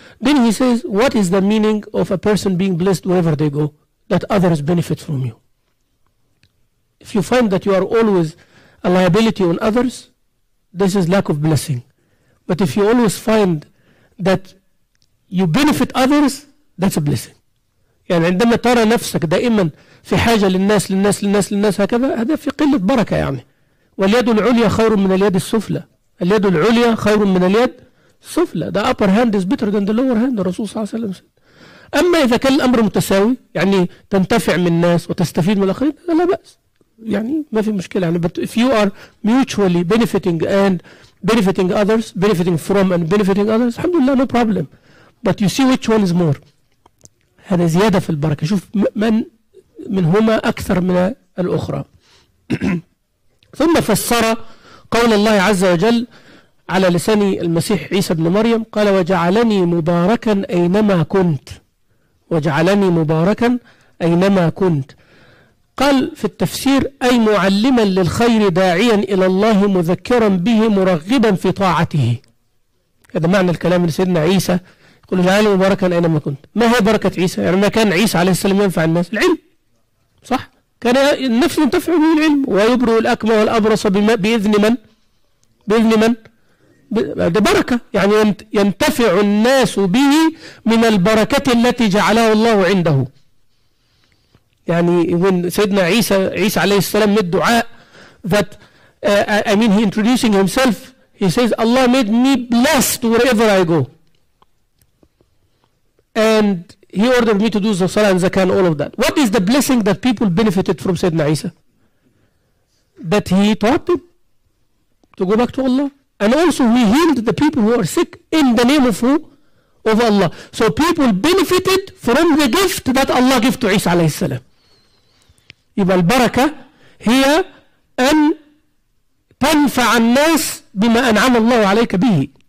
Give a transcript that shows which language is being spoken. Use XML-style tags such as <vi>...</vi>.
<en>Then he says, what is the meaning of a person being blessed wherever they go, that others benefit from you? If you find that you are always a liability on others, this is lack of blessing. But if you always find that you benefit others, that's a blessing.</en> <ar>يعني عندما ترى نفسك دائما في حاجة للناس للناس للناس للناس هكذا، هذا في قلة بركة. يعني واليد العليا خير من اليد السفلى، اليد العليا خير من اليد السفلى.</ar> <en>The upper hand is better than the lower hand.</en> <ar>الرسول صلى الله عليه وسلم. أما إذا كان الأمر متساوي، يعني تنتفع من الناس وتستفيد من الآخرين، لا بأس، يعني ما في مشكلة.</ar> <en>يعني but if you are mutually benefiting and benefiting others, benefiting from and benefiting others, الحمد لله no problem. But you see which one is more.</en> <ar>هذا زيادة في البركة. شوف من منهما أكثر من الأخرى. ثم فسر قول الله عز وجل على لسان المسيح عيسى بن مريم، قال: وجعلني مباركا أينما كنت، وجعلني مباركا أينما كنت. قال في التفسير: أي معلما للخير، داعيا إلى الله، مذكرا به، مرغبا في طاعته. هذا معنى الكلام لسيدنا عيسى، يقول: جعلني مباركا أينما كنت. ما هي بركة عيسى؟ يعني ما كان عيسى عليه السلام ينفع الناس؟ العلم، صح؟ كان النفس ينتفع به العلم، ويبرئ الأكمى والأبرص بإذن من؟ بإذن من؟ ده بركة، يعني ينتفع الناس به من البركة التي جعلها الله عنده.</ar> <en>يعني when</en> <ar>سيدنا عيسى عليه السلام مد دعاء</ar> <en>that I mean he introducing himself, he says Allah made me blessed wherever I go and he ordered me to do the salah and zakah and all of that. What is the blessing that people benefited from سيدنا عيسى؟ That he taught them to go back to Allah. And also he healed the people who are sick in the name of who? Of Allah. So people benefited from the gift that Allah gave to Isa alayhi salam.</en> <ar>يبقى البركة هي أن تنفع الناس بما أنعم الله عليك به.</ar>